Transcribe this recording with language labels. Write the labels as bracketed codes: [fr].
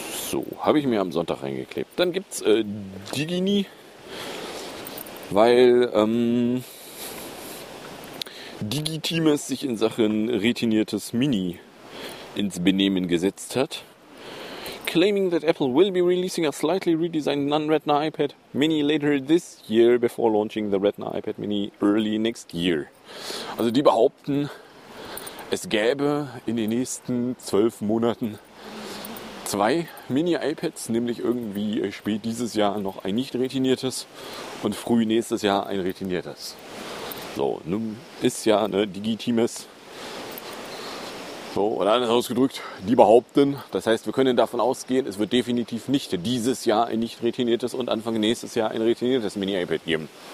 [de] So, habe ich mir am Sonntag reingeklebt. Dann gibt es Digini. Weil Digitimes sich in Sachen retiniertes Mini ins Benehmen gesetzt hat. [en] Claiming that Apple will be releasing a slightly redesigned non-Retina iPad Mini later this year before launching the Retina iPad Mini early next year. [de] Also die behaupten, es gäbe in den nächsten 12 Monaten zwei Mini-iPads, nämlich irgendwie spät dieses Jahr noch ein nicht retiniertes und früh nächstes Jahr ein retiniertes. So, nun ist ja ne, Digitimes. So, oder anders ausgedrückt, die behaupten, das heißt, wir können davon ausgehen, es wird definitiv nicht dieses Jahr ein nicht retiniertes und Anfang nächstes Jahr ein retiniertes Mini-iPad geben.